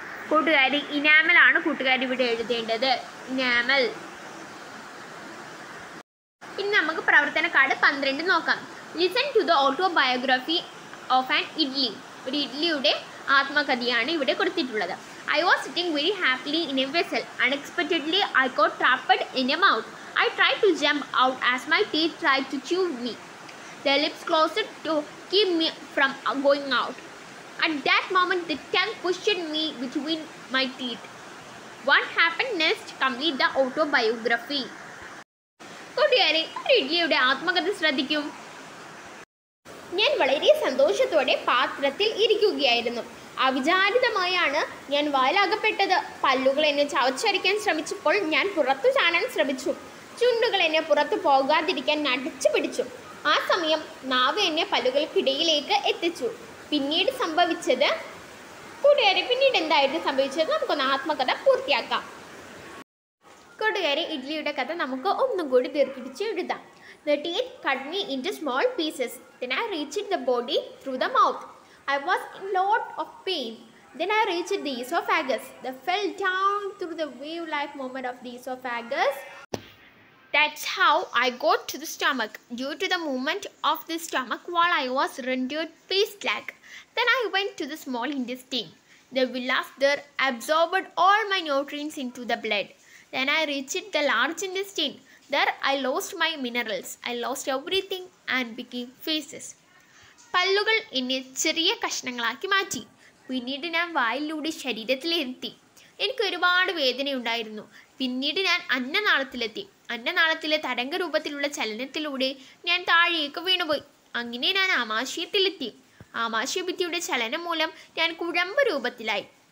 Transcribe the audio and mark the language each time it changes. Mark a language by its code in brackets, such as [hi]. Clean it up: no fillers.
[ml] കൂട്ടുകാരി, ഇനാമലാണ് കൂട്ടുകാരി ഇവിടെ എഴുതേണ്ടത്. ഇനാമൽ. ഇനി നമുക്ക് പ്രവർത്തന കാർഡ് 12 നോക്കാം. [en] Listen to the autobiography of an idli. [ml] ഒരു ഇഡ്ലിയുടെ ആത്മകഥയാണ് ഇവിടെ കൊടുത്തിട്ടുള്ളത്. [en] I was sitting very happily in a vessel. Unexpectedly, I got trapped in a mouth. I tried to jump out as my teeth tried to chew me. Their lips closed to keep me from going out. At that moment, the tongue pushed me between my teeth. What happened next? Complete the autobiography. [ml] കുട്ടിയാരെ, ഇഡ്ലിയുടെ ആത്മകഥ ശ്രദ്ധിക്കും. ഞാൻ വളരെ സന്തോഷത്തോടെ പാത്രത്തിൽ ഇരിക്കുകയായിരുന്നു. അവിചാരിതമായാണ് ഞാൻ വായിലകപ്പെട്ടത്. പല്ലുകൾ എന്നെ ചവച്ചരിക്കാൻ ശ്രമിച്ചപ്പോൾ ഞാൻ പുറത്തു ചാടാൻ ശ്രമിച്ചു. ചുണ്ടുകൾ എന്നെ പുറത്തു പോകാതിരിക്കാൻ നടിച്ചു പിടിച്ചു. ആ സമയം നാവ് എന്നെ പല്ലുകൾക്കിടയിലേക്ക് എത്തിച്ചു. പിന്നീട് സംഭവിച്ചത് കൂട്ടുകാരെ, പിന്നീട് എന്തായിട്ട് സംഭവിച്ചത് നമുക്കൊന്ന് ആത്മകഥ പൂർത്തിയാക്കാം. കൂട്ടുകാരെ, ഇഡ്ലിയുടെ കഥ നമുക്ക് ഒന്നും കൂടി ദീർഘിപ്പിച്ച് എഴുതാം. [en] The teeth cut me into small pieces. Then I reached the body through the mouth. I was in a lot of pain. Then I reached the esophagus. They fell down through the wave-like movement of the esophagus. That's how I got to the stomach. Due to the movement of the stomach wall, I was rendered paste-like. Then I went to the small intestine. The villus there absorbed all my nutrients into the blood. Then I reached the large intestine. There I lost my minerals. I lost everything and became feces. [ml] പല്ലുകൾ എന്നെ ചെറിയ കഷ്ണങ്ങളാക്കി മാറ്റി. പിന്നീട് ഞാൻ വായിലൂടെ ശരീരത്തിലെത്തി. എനിക്ക് ഒരുപാട് വേദനയുണ്ടായിരുന്നു. പിന്നീട് ഞാൻ അന്നനാളത്തിലെത്തി. അന്നനാളത്തിലെ തരംഗ രൂപത്തിലുള്ള ചലനത്തിലൂടെ ഞാൻ താഴേക്ക് വീണുപോയി. അങ്ങനെ ഞാൻ ആമാശയത്തിലെത്തി. ആമാശയഭിത്തിയുടെ ചലനം മൂലം ഞാൻ കുഴമ്പ് രൂപത്തിലായി.